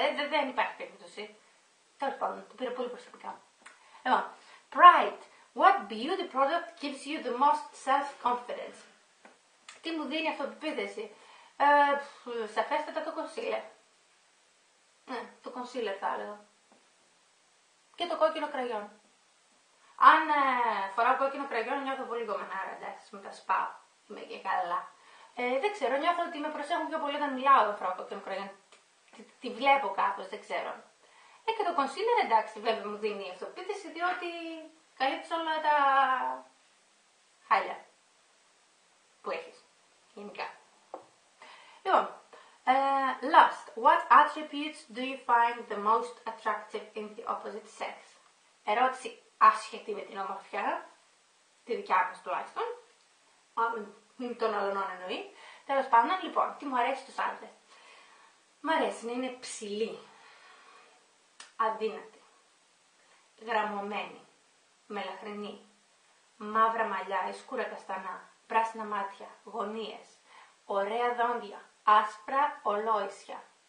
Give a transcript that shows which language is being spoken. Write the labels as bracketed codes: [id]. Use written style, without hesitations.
[el] Δεν υπάρχει περίπτωση. Τέλος πάντων, το πήρα πολύ προσωπικά. Λοιπόν, Pride. [en] What beauty product gives you the most self-confidence? [el] Τι μου δίνει αυτοπεποίθηση? Σαφέστατα το concealer. Ναι, το concealer θα έλεγα. Και το κόκκινο κραγιόν. Αν φοράω κόκκινο κραγιόν, νιώθω πολύ γομενάρα, εντάξει, με τα σπάω. Είμαι και καλά. Δεν ξέρω, νιώθω ότι με προσέχουν πιο πολύ όταν μιλάω όταν φοράω κόκκινο κραγιόν. Τη βλέπω κάπως, δεν ξέρω. Και το κονσίλερ, εντάξει, βέβαια μου δίνει αυτοποίθηση, διότι καλύπτει όλα τα χάλια που έχεις, γενικά. Λοιπόν, lust. [en] What attributes do you find the most attractive in the opposite sex? [el] Ερώτηση. Άσχετη με την ομορφιά, τη δικιά μας τουλάχιστον, μην τον αλλωνών εννοεί. Τέλος πάντων, λοιπόν, τι μου αρέσει στους άντρες. Μ' αρέσει να είναι ψηλή, αδύνατη, γραμμωμένη, μελαχρινή, μαύρα μαλλιά, σκούρα καστανά, πράσινα μάτια, γωνίες, ωραία δόντια, άσπρα ολόησια.